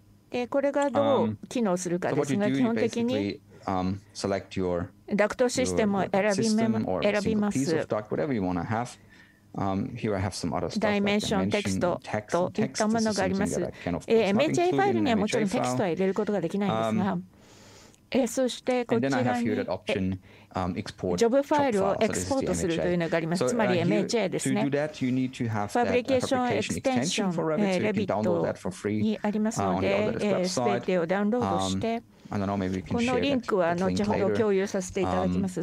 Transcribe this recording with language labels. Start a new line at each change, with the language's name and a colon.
Japanese: で、これがどう機能するかですが、基本的に
English: select your duct system or a single piece of duct, whatever you want to have. Here I have some other stuff. Dimension, like text, this is something that I can of course not include in the MHA file.
Japanese: MHA もちろんテキストは入れることができないんですが、そしてこちらにジョブファイルをエクスポートするというのがあります。つまり MHA ですね。
English: Fabrication Extension Revit
Japanese: にありますので、すべてをダウンロードして、このリンクは後ほど共有させていただきます。